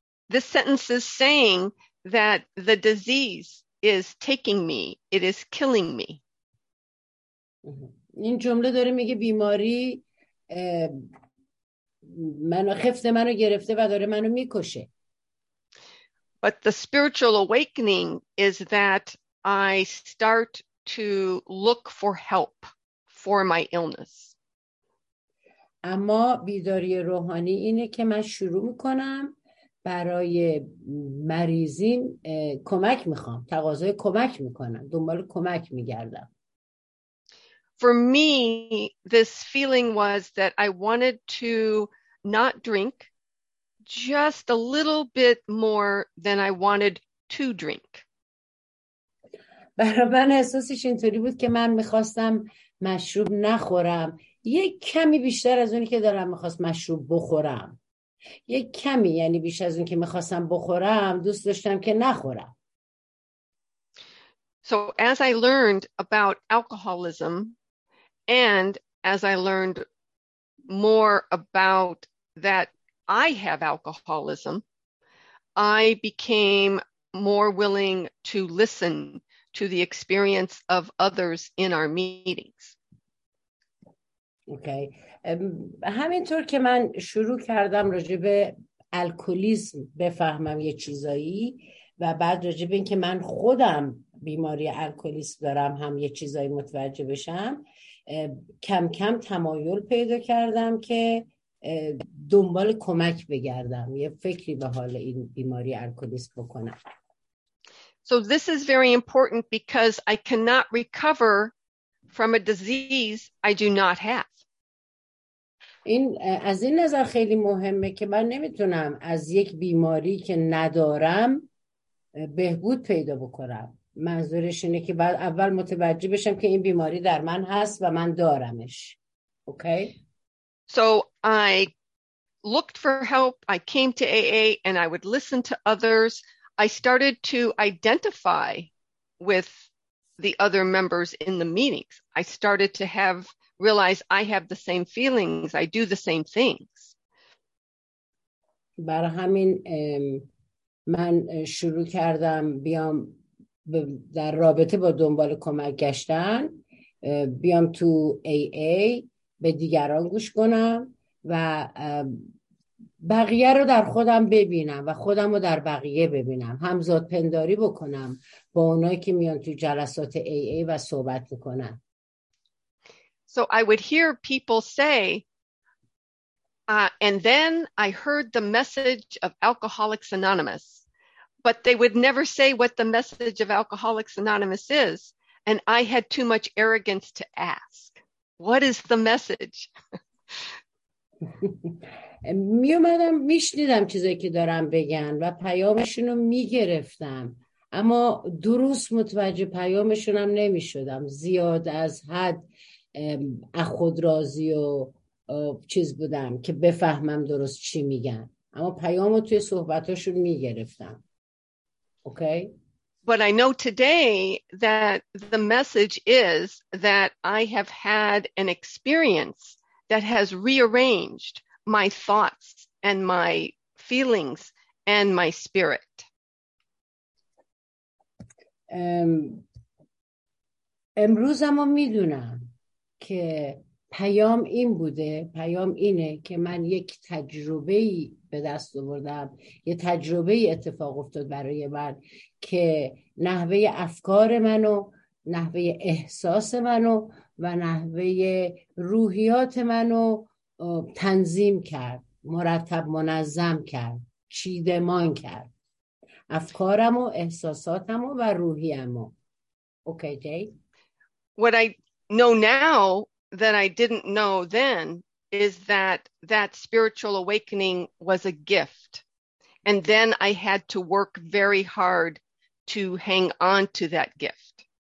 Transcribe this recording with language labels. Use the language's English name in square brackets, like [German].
[English] This sentence is saying that the disease is taking me, it is killing me. [Persian] این جمله داره میگه بیماری منو خفته، منو گرفته و داره منو میکشه. [English] But the spiritual awakening is that I start to look for help for my illness. [Persian] اما بیداری روحانی اینه که من شروع میکنم برای مریضین کمک میخوام، تقاضای کمک میکنم، دنبال کمک میگردم. [English] For me, this feeling was that I wanted to not drink. Just a little bit more than I wanted to drink. [Persian] برای من احساسش اینطوری بود که من میخواستم مشروب نخورم. یک کمی بیشتر از اونی که دارم میخواست مشروب بخورم. یک کمی یعنی بیش از اون که میخواستم بخورم دوست داشتم که نخورم. [English] So as I learned about alcoholism and as I learned more about that I have alcoholism, I became more willing to listen to the experience of others in our meetings. Okay. [Persian] همینطور که من شروع کردم راجب الکولیزم بفهمم یه چیزایی و بعد راجب این که من خودم بیماری الکولیسم دارم هم یه چیزایی متوجه بشم، کم کم تمایل پیدا کردم که دنبال کمک بگردم، یه فکری به حال این بیماری الکلیسم بکنم. [English] So this is very important because I cannot recover from a disease I do not have. [Persian] این از این نظر خیلی مهمه که من نمیتونم از یک بیماری که ندارم بهبود پیدا بکنم. منظورش اینه که بعد اول متوجه بشم که این بیماری در من هست و من دارمش. اوکی؟ [English] So I looked for help. I came to AA and I would listen to others. I started to identify with the other members in the meetings. I started to realize I have the same feelings. I do the same things. [Persian] برای همین من شروع کردم بیام در رابطه با دنبال کمک گشتن، بیام تو AA، به دیگران گوش کنم و بقیه رو در خودم ببینم و خودم رو در بقیه ببینم، همزاد پنداری بکنم با اونایی که میان تو جلسات AA و صحبت بکنم. [English] So I would hear people say and then I heard the message of Alcoholics Anonymous, but they would never say what the message of Alcoholics Anonymous is, and I had too much arrogance to ask. What is the message? [Persian] می اومدم میشنیدم چیزایی که دارم بگن و پیامشون رو میگرفتم، اما درست متوجه پیامشون هم نمی شدم. زیاد از حد خود راضی و چیز بودم که بفهمم درست چی میگن، اما پیامو توی صحبتاشون می گرفتم. اوکی؟ [English] But I know today that the message is that I have had an experience that has rearranged my thoughts and my feelings and my spirit. [Persian] امروز اما میدونم که پیام این بوده، پیام اینه که من یک تجربه‌ای به دست آوردم، یه تجربه‌ای اتفاق افتاد برای من که نحوه افکار منو، نحوه احساس منو و نحوه روحیات منو تنظیم کرد، مرتب منظم کرد، چیدمان کرد افکارمو، احساساتمو و روحیمو. اوکی جی؟ [English] What I know now that I didn't know then is that that spiritual awakening was a gift. And then I had to work very hard to hang on to that gift.